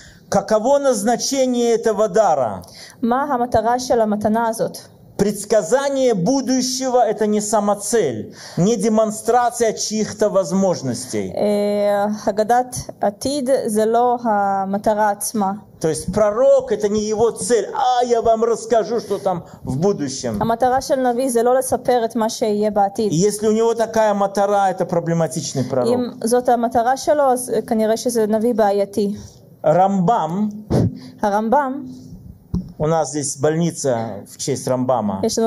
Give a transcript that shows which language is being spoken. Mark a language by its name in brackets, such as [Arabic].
[Russian] Каково назначение этого дара? [Hebrew] מה המטרה של המתנה הזאת? [Russian] Предсказание будущего – это не самоцель, не демонстрация чьих-то возможностей. [Hebrew] Гадат атид – זה לא המטרה עצמה. [Russian] То есть пророк – это не его цель. А, я вам расскажу, что там в будущем. [Hebrew] המטרה של נביא – זה לא לספר את מה שיהיה בעתיד. [Russian] Если у него такая מטרה – это проблематичный пророк. [Hebrew] אם זאת המטרה שלו, אז כנראה שזה נביא בעייתי. [Russian] Рамбам. [Hebrew] הרמב״ם. [Russian] У нас здесь больница в честь Рамбама.